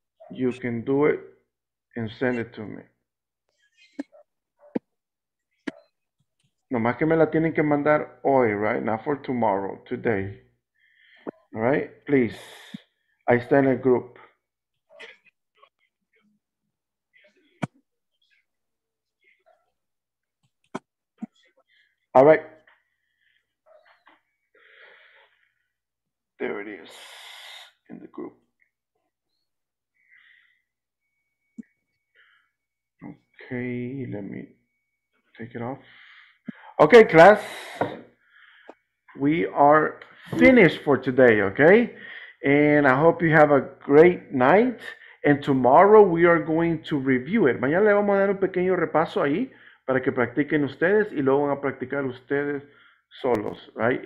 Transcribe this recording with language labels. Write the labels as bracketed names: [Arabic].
[English] You can do it and send it to me. [Spanish] Nomás que me la tienen que mandar hoy, right? [English] Not for tomorrow, today. All right? Please. [Spanish] Ahí está en el [English] group. All right. There it is in the group. Okay, let me take it off. Okay, class, we are finished for today, okay? And I hope you have a great night. And tomorrow we are going to review it. [Spanish] Mañana le vamos a dar un pequeño repaso ahí para que practiquen ustedes y luego van a practicar ustedes solos, right?